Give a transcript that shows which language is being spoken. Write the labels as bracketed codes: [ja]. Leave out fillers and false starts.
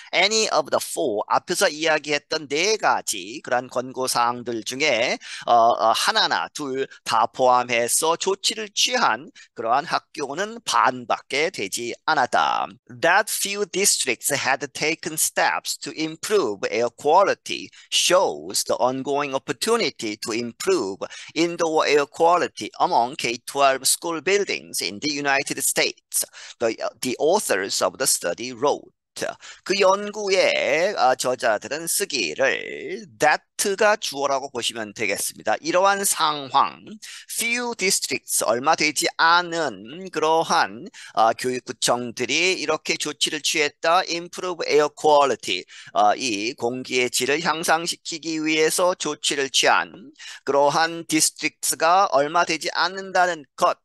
[en] Any of the four [ko] 앞에서 이야기했던 네 가지 그러한 권고 사항들 중에 하나나 둘다 포함해서 조치를 취한 그러한 학교는 반밖에 되지 않았다. [en] that few districts had taken steps to improve air quality shows the ongoing opportunity to improve indoor air quality among K-12 school buildings in the United States, the authors of the study wrote. [ko] 그 연구의 저자들은 쓰기를 that가 주어라고 보시면 되겠습니다. 이러한 상황, [en] few districts, [ko] 얼마 되지 않은 그러한 교육구청들이 이렇게 조치를 취했다. [en] improve air quality, [ko] 이 공기의 질을 향상시키기 위해서 조치를 취한 그러한 districts가 얼마 되지 않는다는 것.